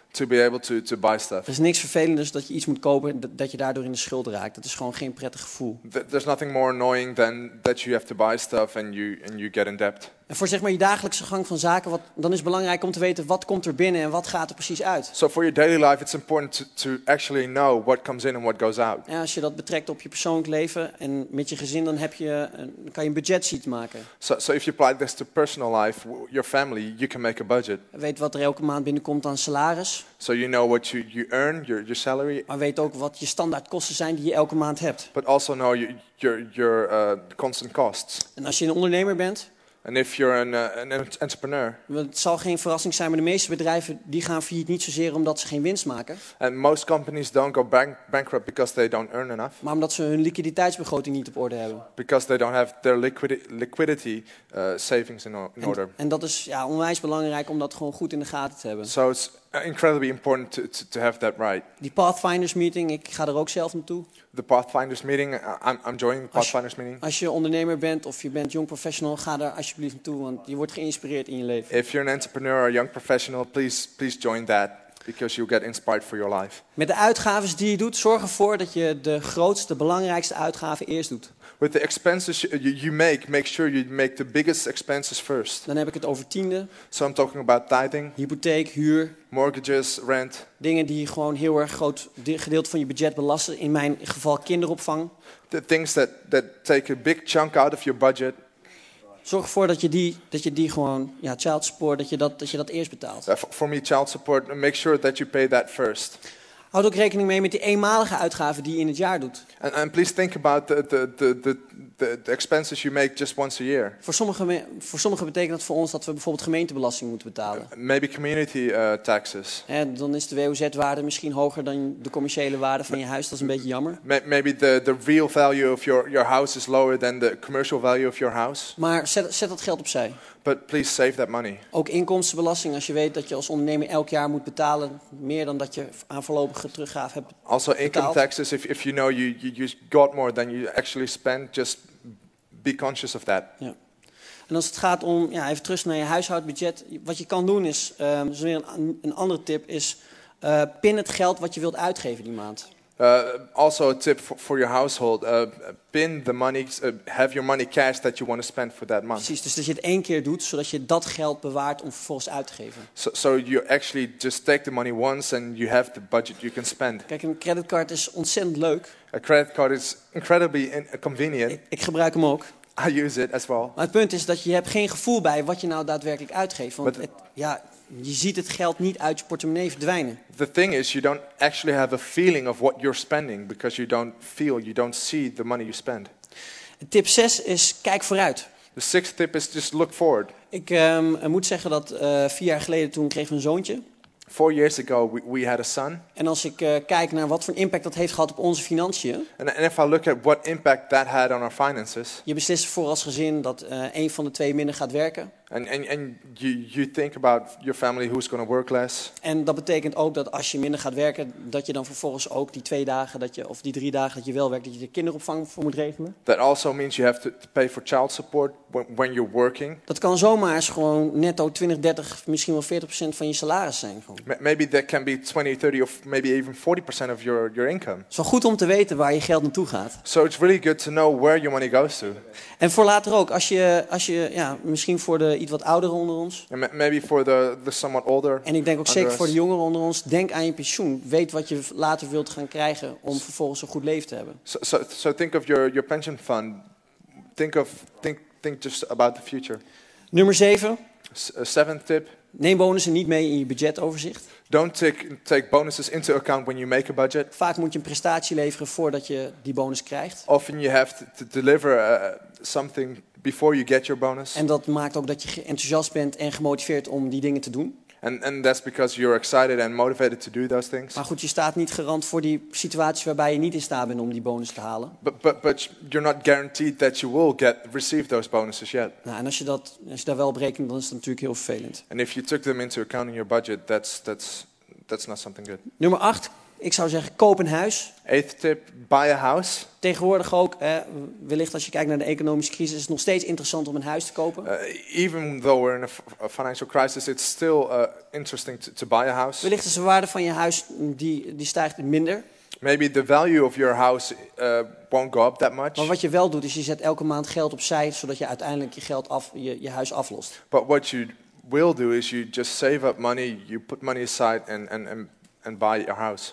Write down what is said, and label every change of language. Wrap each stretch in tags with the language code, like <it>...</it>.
<en>To be able to buy stuff.</en> <nl>Er is niks vervelenders dat je iets moet kopen dat je daardoor in de schuld raakt. Dat is gewoon geen prettig gevoel.</nl> <en>There's nothing more annoying than that you have to buy stuff and you get in debt.</en> <nl>En voor zeg maar je dagelijkse gang van zaken, dan is het belangrijk om te weten wat komt er binnen en wat gaat er precies uit.</nl> <en>So for your daily life it's important to actually know what comes in and what goes out.</en> <nl>En als je dat betrekt op je persoonlijk leven en met je gezin, dan kan je een budget sheet maken.</nl> <en>So if you apply this to personal life, your family, you can make a budget.</en> <nl>Weet wat er elke maand binnenkomt aan salaris.</nl> <en>So you know what you earn, your salary.</en> <nl>Maar weet ook wat je standaardkosten zijn die je elke maand hebt.</nl> <en>But also know your constant costs.</en> <nl>En als je een ondernemer bent.</nl> <en>And if you're an entrepreneur.</en> <nl>Het zal geen verrassing zijn, maar de meeste bedrijven die gaan failliet niet zozeer omdat ze geen winst maken.</nl> <en>And most companies don't go bankrupt because they don't earn enough.</en> <nl>Maar omdat ze hun liquiditeitsbegroting niet op orde hebben.</nl> <en>Because they don't have their liquidity savings in order.</en> <nl>En dat is ja, onwijs belangrijk om dat gewoon goed in de gaten te hebben.</nl> <en>So it's incredibly important to have that right.</en> <nl>Die Pathfinders meeting, ik ga er ook zelf naartoe.</nl> <en>The Pathfinders meeting, I'm joining the Pathfinders meeting.</en> <nl>Als je ondernemer bent of je bent young professional, ga daar alsjeblieft naartoe, want je wordt geïnspireerd in je leven.</nl> <en>If you're an entrepreneur or a young professional, please join that, because you'll get inspired for your life.</en> <nl>Met de uitgaven die je doet, zorg ervoor dat je de grootste, belangrijkste uitgaven eerst doet.</nl> <en>With the expenses you make sure you make the biggest expenses first.</en> <nl>Dan heb ik het over tiende.</nl> <en>So I'm talking about tithing.</en> <nl>Hypotheek, huur.</nl> <en>Mortgages, rent.</en> <nl>Dingen die gewoon heel erg groot gedeelte van je budget belasten. In mijn geval kinderopvang.</nl> <en>The things that take a big chunk out of your budget.</en> <nl>Zorg ervoor dat je die gewoon, ja,</nl> <en>child support,</en> <nl>dat je dat eerst betaalt.</nl> <en>For me, child support, make sure that you pay that first.</en> <nl>Houd ook rekening mee met die eenmalige uitgaven die je in het jaar doet.</nl> <en>And please think about the expenses you make just once a year.</en> <nl>Voor sommigen betekent dat voor ons dat we bijvoorbeeld gemeentebelasting moeten betalen.</nl> <en>Maybe community taxes.</en> <nl>En dan is de WOZ-waarde misschien hoger dan de commerciële waarde van je huis. Dat is een beetje jammer.</nl> <en>Maybe the real value of your house is lower than the commercial value of your house.</en> <nl>Maar zet dat geld opzij.</nl> <en>But please save that money.</en> <nl>Ook inkomstenbelasting, als je weet dat je als ondernemer elk jaar moet betalen meer dan dat je aan voorlopige teruggave hebt betaald.</nl> <en>Also income taxes, if you know you got more than you actually spent, just be conscious of that.</en> <nl>Ja. En als het gaat om, ja, even terug naar je huishoudbudget, wat je kan doen is, dus weer een andere tip is, pin het geld wat je wilt uitgeven die maand.</nl> <en>Also a tip for your household, pin the money, have your money cash that you want to spend for that month.</en> <nl>Precies, dus dat je het één keer doet, zodat je dat geld bewaart om vervolgens uit te geven.</nl> <en>So you actually just take the money once and you have the budget you can spend.</en> <nl>Kijk, een creditcard is ontzettend leuk.</nl> <en>A credit card is incredibly convenient.</en> <nl>Ik gebruik hem ook.</nl> <en>I use it as well.</en> <nl>Maar het punt is dat je hebt geen gevoel bij wat je nou daadwerkelijk uitgeeft, want je ziet het geld niet uit je portemonnee verdwijnen.</nl> <en>The thing is, you don't actually have a feeling of what you're spending because you don't feel, you don't see the money you spend.</en> <nl>Tip 6 is kijk vooruit.</nl> <en>The sixth tip is just look forward.</en> <nl>Ik moet zeggen dat 4 jaar geleden toen kreeg ik een zoontje.</nl> <en>4 years ago we had a son.</en> <nl>En als ik kijk naar wat voor impact dat heeft gehad op onze financiën.</nl> <en>And if I look at what impact that had on our finances.</en> <nl>Je beslist voor als gezin dat één van de twee minder gaat werken.</nl> <en>And you think about your family who's going to work less.</en> <nl>En dat betekent ook dat als je minder gaat werken, dat je dan vervolgens ook die 2 dagen dat je of die 3 dagen dat je wel werkt, dat je de kinderopvang voor moet regelen.</nl> <en>That also means you have to pay for child support when you're working.</en> <nl>Dat kan zomaar eens gewoon netto 20, 30, misschien wel 40% van je salaris zijn.</nl> <en>Maybe that can be 20, 30 of maybe even 40% of your income.</en> <nl>Zo goed om te weten waar je geld naartoe gaat.</nl> <en>So it's really good to know where your money goes to.</en> <nl>En voor later ook, als je ja, misschien voor de iets wat ouder onder ons.</nl> <en>Maybe for the somewhat older.</en> <nl>En ik denk ook zeker voor de jongeren onder ons. Denk aan je pensioen. Weet wat je later wilt gaan krijgen om vervolgens een goed leven te hebben.</nl> <en>So think of your pension fund. Think just about the future.</en> <nl>Nummer 7.</nl> <en>Seventh tip.</en> <nl>Neem bonussen niet mee in je budgetoverzicht.</nl> <en>Don't take bonuses into account when you make a budget.</en> <nl>Vaak moet je een prestatie leveren voordat je die bonus krijgt.</nl> <en>Often you have to deliver something before you get your bonus.</en> <nl>En dat maakt ook dat je enthousiast bent en gemotiveerd om die dingen te doen.</nl> <en>And that's because you're excited and motivated to do those things.</en> <nl>Maar goed, je staat niet garant voor die situatie waarbij je niet in staat bent om die bonus te halen.</nl> <en>But you're not guaranteed that you will receive those bonuses yet.</en> <nl>Nou, en als je daar wel op rekent, dan is dat natuurlijk heel vervelend.</nl> <en>And if you took them into account in your budget, that's not something good.</en> <nl>Nummer 8. Ik zou zeggen, koop een huis.</nl> <en>8th tip, buy a house.</en> <nl>Tegenwoordig ook, wellicht als je kijkt naar de economische crisis, is het nog steeds interessant om een huis te kopen.</nl> <en>Even though we're in a financial crisis, it's still interesting to buy a house.</en> <nl>Wellicht is de waarde van je huis, die stijgt minder.</nl> <en>Maybe the value of your house won't go up that much.</en> <nl>Maar wat je wel doet, is je zet elke maand geld opzij, zodat je uiteindelijk je huis aflost.</nl> <en>But what you will do, is you just save up money, you put money aside and buy your house.</en>